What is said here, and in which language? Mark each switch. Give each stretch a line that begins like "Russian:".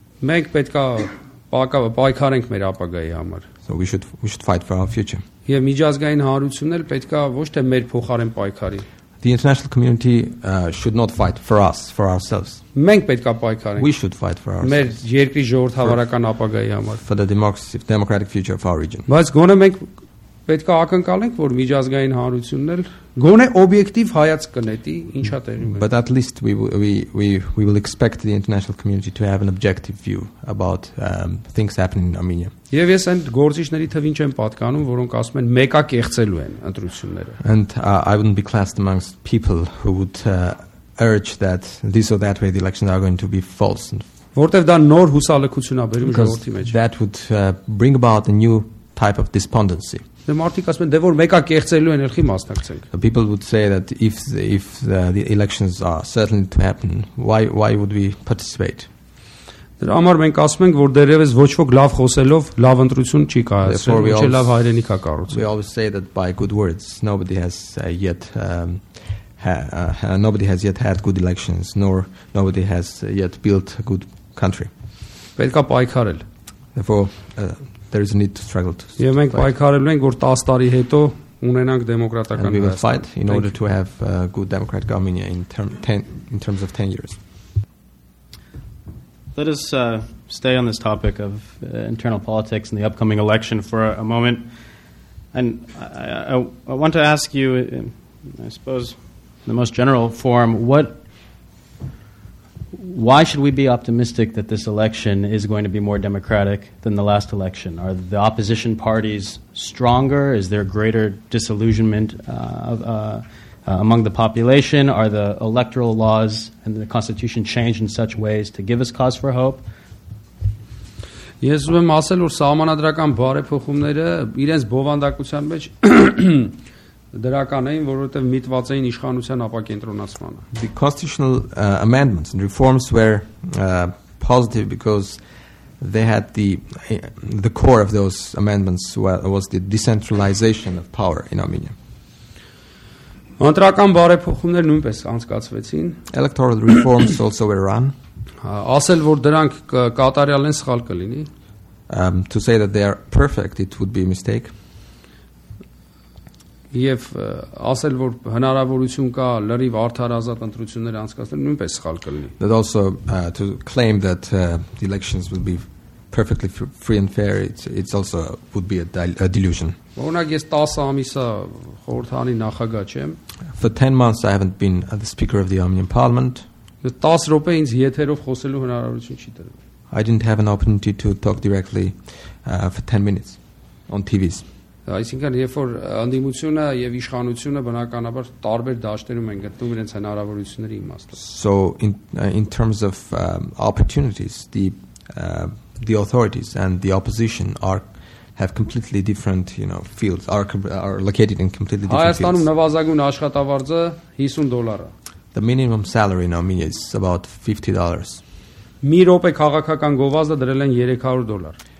English: So we should fight for our future. The international community should not fight for us, for ourselves. We should fight for ourselves. For the democracy, democratic future of our region.
Armenian: Պետք է ակնկալենք, որ միջազգային հանրությունն էլ գոնե օբյեկտիվ հայացք կնետի ինչ հատ էր։
English: But at least we will expect the international community to have an objective view about things happening in Armenia.
Armenian: Եվ ես այն գործիչների թվին չեմ պատկանում, որոնք ասում են մեկա կեղծելու են ընտրությունները։
English: And I wouldn't be classed amongst people who would urge that this or that way the elections are going to be false.
Armenian: Որտեվ դա նոր հուսալեկություն է բերում ժողովրդի մեջ։
English: That would bring about a new type of despondency. People would say that if the elections are certain to happen, why would we participate? Therefore, we always say that by good words, nobody has yet had good elections, nor nobody has yet built a good country. Therefore, there is a need to struggle to
Armenian: Եվ մենք պայքարելու ենք, որ 10 տարի հետո ունենանք դեմոկրատական
English: Հայաստան. And we will fight in order to have a good democratic Armenia in terms of 10 years. Let us stay on this topic of internal politics and the upcoming election for a moment. And I want to ask you, I suppose, in the most general form, why should we be optimistic that this election is going to be more democratic than the last election? Are the opposition parties stronger? Is there greater disillusionment among the population? Are the electoral laws and the constitution changed in such ways to give us cause for hope?
Armenian: Ես ուզում եմ ասել, որ սահմանադրական բարեփոխումները իրենց բովանդակության մեջ դրական էին, որովհետև միտված էին իշխանության ապակենտրոնացմանը.
English: The constitutional amendments and reforms were positive because they had the core of those amendments was the decentralization of power in Armenia.
Armenian: Անդրական բարեփոխումներ նույնպես անցկացվեցին.
English: Electoral reforms also were run.
Armenian: Ասել, որ դրանք կատարյալ են սխալ կլինի.
English: To say that they are perfect, it would be a mistake.
Armenian: Եվ ասել, որ հնարավորություն կա լրիվ արդարազատ ընտրություններ անցկացնել, նույնպես սխալ կլինի.
English: That also to claim that the elections will be perfectly free and fair, it's also would be a delusion.
Armenian: Օրինակ ես 10 ամիսա խորհրդանի նախագահ չեմ.
English: For 10 months I haven't been the speaker of the Armenian parliament.
Armenian: 10 րոպե ինձ եթերով խոսելու հնարավորություն չի տրվում.
English: I didn't have an opportunity to talk directly for 10 minutes on TVs.
Armenian: Այսինքն երբ որ անդիմությունը եւ իշխանությունը բնականաբար տարբեր դաշտերում են գտնում իրենց հնարավորությունների իմաստով.
English: So in terms of opportunities, the authorities and the opposition have completely different, you know, fields, are located in completely different fields.
Armenian: Հայաստանում նվազագույն աշխատավարձը $50 է.
English: The minimum salary in Armenia is about $50.
Armenian: Մի ռոպե քաղաքական գովազդը դրել են $300.